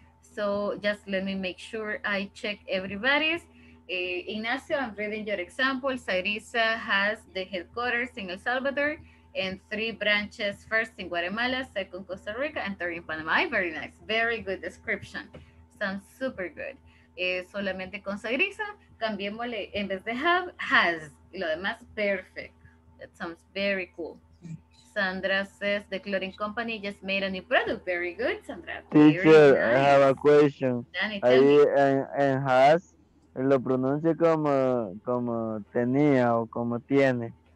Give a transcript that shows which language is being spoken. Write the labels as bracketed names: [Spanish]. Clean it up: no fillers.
[English] So just let me make sure I check everybody's. Ignacio, I'm reading your example. Sairisa has the headquarters in El Salvador and 3 branches, first in Guatemala, second Costa Rica, and third in Panama. Very nice, very good description. Sounds super good. [Spanish] Solamente con Sairisa, cambiémosle, en vez de have, has. Y lo demás, [English] perfect. That sounds very cool. Sandra says, the clothing company just made a new product. Very good, Sandra. Teacher, very nice. I have a question. [Spanish] Ahí en has, lo pronuncia como tenía o como tiene.